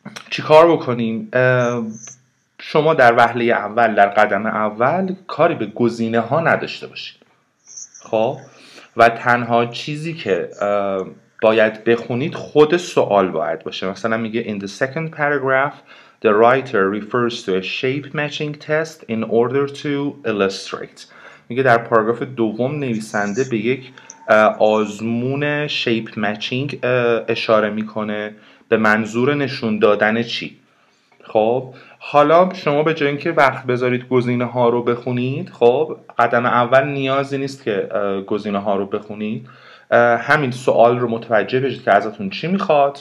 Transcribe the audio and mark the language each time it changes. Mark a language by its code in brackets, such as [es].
[fa] چی کار بکنیم؟ شما در وهله اول، در قدم اول کاری به گزینه ها نداشته باشید خب، و تنها چیزی که باید بخونید خود سوال باید باشه. مثلا میگه [en] in the second paragraph the writer refers to a shape matching test in order to illustrate. [fa] میگه در پاراگراف دوم نویسنده به یک آزمون shape matching اشاره میکنه به منظور نشون دادن چی. خب حالا شما به جای اینکه وقت بذارید گزینه ها رو بخونید، خب قدم اول نیازی نیست که گزینه ها رو بخونید، همین سوال رو متوجه بشید که ازتون چی میخواد.